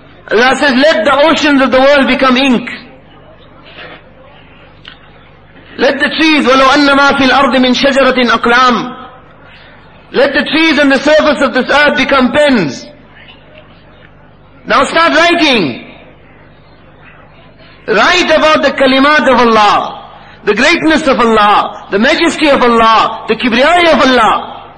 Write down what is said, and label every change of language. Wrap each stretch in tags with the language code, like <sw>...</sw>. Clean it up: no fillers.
<en>Allah says, let the oceans of the world become ink. Let the trees,</en> <ar>وَلَوْ أَنَّمَا فِي الْأَرْضِ مِنْ شَجَرَةٍ أَقْلَامٍ.</ar> <en>Let the trees on the surface of this earth become pens. Now start writing. Write about the kalimat of Allah, the greatness of Allah, the majesty of Allah, the kibriyai of Allah.</en>